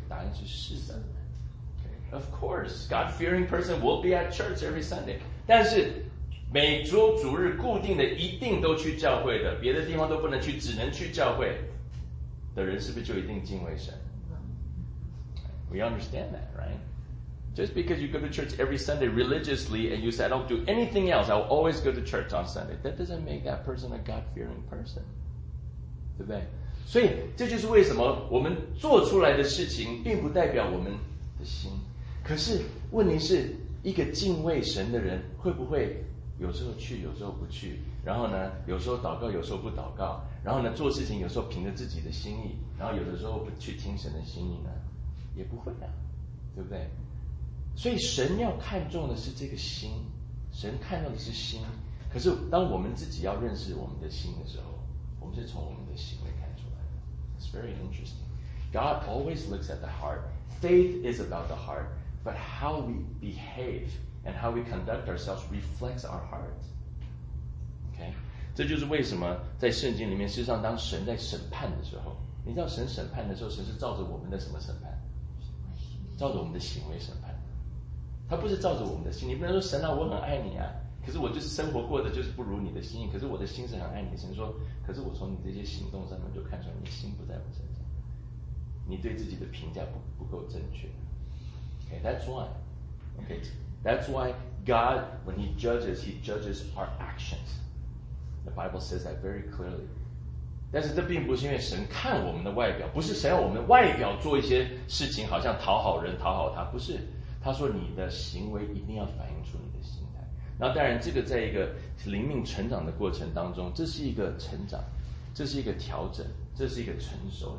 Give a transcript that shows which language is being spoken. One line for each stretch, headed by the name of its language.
Chinese: 答案是是的。
English: Of course, God fearing person will be at church every Sunday.
Chinese: 但是每周主日固定的一定都去教会的，别的地方都不能去，只能去教会的人，是不是就一定敬畏神？
English: We understand that, right? Just because you go to church every Sunday religiously and you say I don't do anything else, I'll always go to church on Sunday, that doesn't make that person a God fearing person.
Chinese: 对不对？所以这就是为什么我们做出来的事情并不代表我们的心。可是问题是，一个敬畏神的人会不会有时候去有时候不去，然后呢有时候祷告有时候不祷告，然后呢做事情有时候凭着自己的心意，然后有的时候不去听神的心意呢？也不会啊，对不对？所以神要看重的是这个心，神看重的是心。可是当我们自己要认识我们的心的时候，我们是从我们的行为看出来的。
English: It's very interesting. God always looks at the heart. Faith is about the heart, but how we behave and how we conduct ourselves reflects our heart. Okay?
Chinese: 这就是为什么在圣经里面，事实上当神在审判的时候，你知道神审判的时候，神是照着我们的什么审判？照着我们的行为审判。他不是照着我们的心，你不能说神啊，我很爱你啊，可是我就是生活过的就是不如你的心意，可是我的心是很爱你。神说，可是我从你这些行动上面就看出来，你心不在我身上，你对自己的评价不够正确。
English: Okay, that's why. Okay, that's why God, when He judges, He judges our actions. The Bible says that very clearly.
Chinese: 但是这并不是因为神看我们的外表，不是神要我们外表做一些事情，好像讨好人、讨好他，不是。他说你的行为一定要反映出你的心态。那当然这个在一个灵命成长的过程当中，这是一个成长，这是一个调整，这是一个成熟。